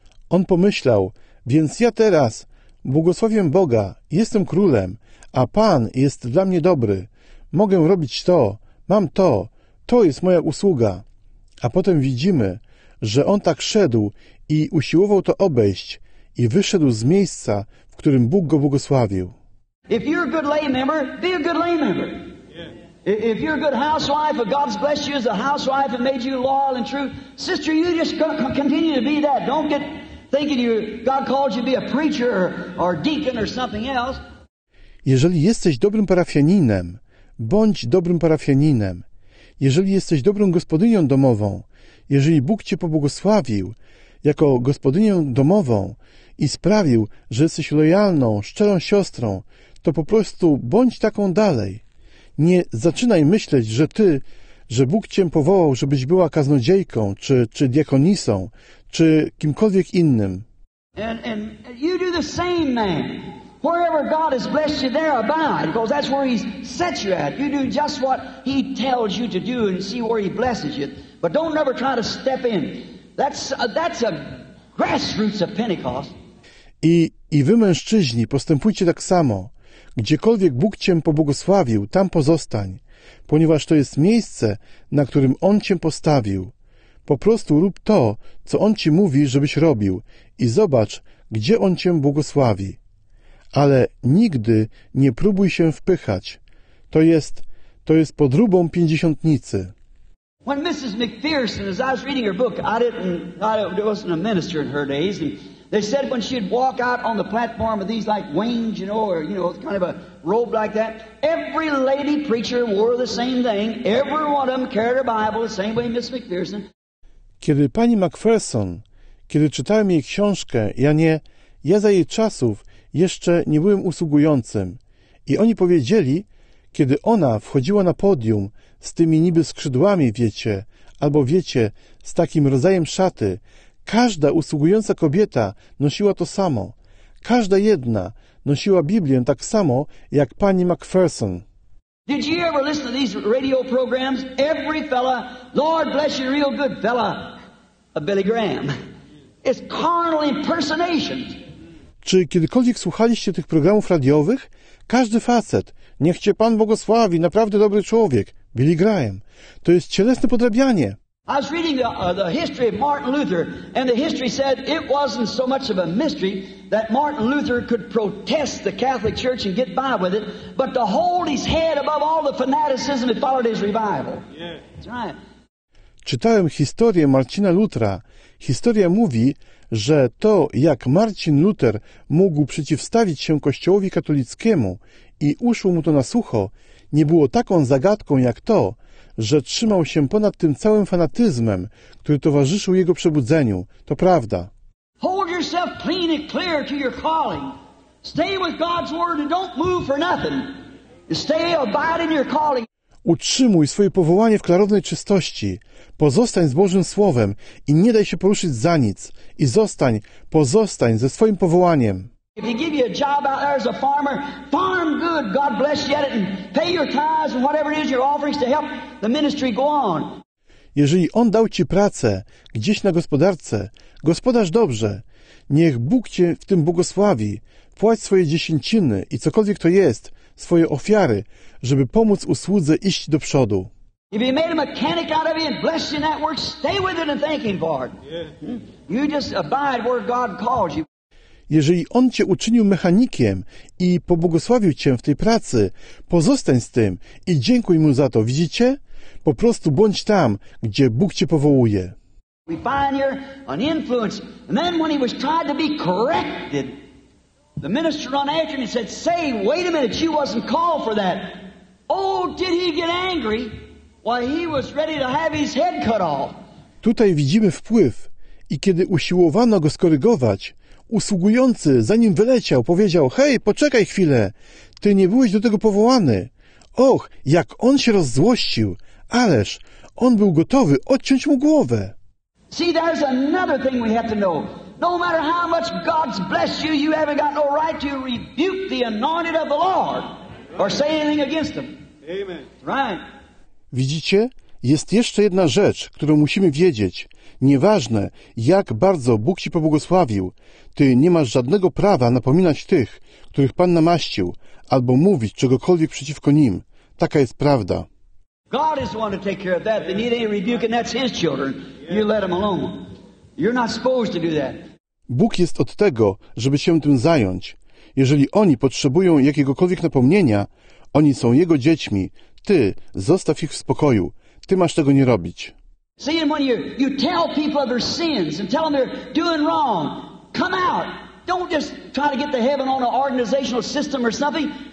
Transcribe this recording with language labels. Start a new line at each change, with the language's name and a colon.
Polish: On pomyślał, więc ja teraz błogosławię Boga, jestem królem, a Pan jest dla mnie dobry. Mogę robić to, mam to, to jest moja usługa. A potem widzimy, że on tak szedł i usiłował to obejść i wyszedł z miejsca, w którym Bóg go błogosławił.
English: If you're a good lay member, be a good lay member. If you're a good housewife, if God's blessed you as a housewife and made you loyal and true, sister, you just continue to be that. Don't get thinking you God called you to be a preacher or deacon or something else.
Polish: Jeżeli jesteś dobrym parafianinem, bądź dobrym parafianinem. Jeżeli jesteś dobrą gospodynią domową, jeżeli Bóg cię pobłogosławił jako gospodynię domową i sprawił, że jesteś lojalną, szczerą siostrą, to po prostu bądź taką dalej. Nie zaczynaj myśleć, że ty, że Bóg cię powołał, żebyś była kaznodziejką, czy diakonisą, czy kimkolwiek innym.
English: And you do the same man. Wherever God has blessed you, there abide, because that's where He's set you at. You do just what He tells you to do and see where He blesses you. But don't never try to step in. That's a grassroots of Pentecost.
Polish: I wy, mężczyźni, postępujcie tak samo. Gdziekolwiek Bóg cię pobłogosławił, tam pozostań, ponieważ to jest miejsce, na którym On cię postawił. Po prostu rób to, co On ci mówi, żebyś robił, i zobacz, gdzie On cię błogosławi. Ale nigdy nie próbuj się wpychać. To jest podróbą pięćdziesiątnicy.
English: When Mrs. McPherson, as I was reading her book, I wasn't a minister in her days, and they said when she'd walk out on the platform of these like wings, or kind of a robe like that, every lady preacher wore the same thing. Every one of them carried a Bible the same way Mrs. McPherson.
Polish: Kiedy pani McPherson, kiedy czytałem jej książkę, ja za jej czasów jeszcze nie byłem usługującym. I oni powiedzieli, kiedy ona wchodziła na podium z tymi niby skrzydłami, wiecie, z takim rodzajem szaty, każda usługująca kobieta nosiła to samo. Każda jedna nosiła Biblię tak samo jak pani McPherson.
English: Did you ever listen to these radio programs? Every fella, Lord bless you, real good fella, a Billy Graham. It's carnal impersonation.
Polish: Czy kiedykolwiek słuchaliście tych programów radiowych? Każdy facet, niech cię Pan błogosławi, naprawdę dobry człowiek, Billy Graham. To jest cielesne podrabianie.
English: I was reading the history of Martin Luther, and the history said it wasn't so much of a mystery that Martin Luther could protest the Catholic Church and get by with it, but to hold his head above all the fanaticism that followed his revival. That's right.
Polish: Czytałem historię Marcina Lutra. Historia mówi, że to, jak Marcin Luther mógł przeciwstawić się Kościołowi katolickiemu i uszło mu to na sucho, nie było taką zagadką jak to, że trzymał się ponad tym całym fanatyzmem, który towarzyszył jego przebudzeniu. To prawda.
English: Hold yourself clean and clear to your calling. Stay with God's word and don't move for nothing. Stay abiding your calling.
Polish: Utrzymuj swoje powołanie w klarownej czystości. Pozostań z Bożym Słowem i nie daj się poruszyć za nic. I pozostań ze swoim powołaniem.
English: If you give you a job out there as a farmer, farm good, God bless you at it, and pay your tithes and whatever it is your offerings to help the ministry go on.
Polish: Jeżeli on dał ci pracę gdzieś na gospodarce, gospodarz dobrze. Niech Bóg cię w tym błogosławi. Płać swoje dziesięciny i cokolwiek to jest, swoje ofiary, żeby pomóc usłudze iść do przodu.
English: If he made a mechanic out of you and blessed you in that work, stay with it and thank him for it. You just abide where God calls you.
Polish: Jeżeli on cię uczynił mechanikiem i pobłogosławił cię w tej pracy, pozostań z tym i dziękuj mu za to, widzicie? Po prostu bądź tam, gdzie Bóg cię powołuje.
English: We find here an influence. And then when he was tried to be corrected, the minister on after him said, say, wait a minute, you wasn't called for that. Oh, did he get angry? Why, he was ready to have his head cut off.
Polish: Tutaj widzimy wpływ i kiedy usiłowano go skorygować, usługujący, zanim wyleciał, powiedział, hej, poczekaj chwilę, ty nie byłeś do tego powołany. Och, jak on się rozzłościł, ależ on był gotowy odciąć mu głowę.
English: See, there's another thing we have to know. No matter how much God's blessed you, you haven't got no right to rebuke the anointed of the Lord or say anything against them. Amen. Right.
Polish: Widzicie? Jest jeszcze jedna rzecz, którą musimy wiedzieć. Nieważne, jak bardzo Bóg ci pobłogosławił, ty nie masz żadnego prawa napominać tych, których Pan namaścił, albo mówić czegokolwiek przeciwko nim. Taka jest prawda.
English: God is the one to take care of that. They need any rebuke, and that's his children. You let them alone. You're not supposed to do that.
Polish: Bóg jest od tego, żeby się tym zająć. Jeżeli oni potrzebują jakiegokolwiek napomnienia, oni są jego dziećmi. Ty zostaw ich w spokoju. Ty masz tego nie robić.
English: See, when you tell people of their sins and tell them they're doing wrong, come out. Don't just try to get to heaven on an organizational system or something.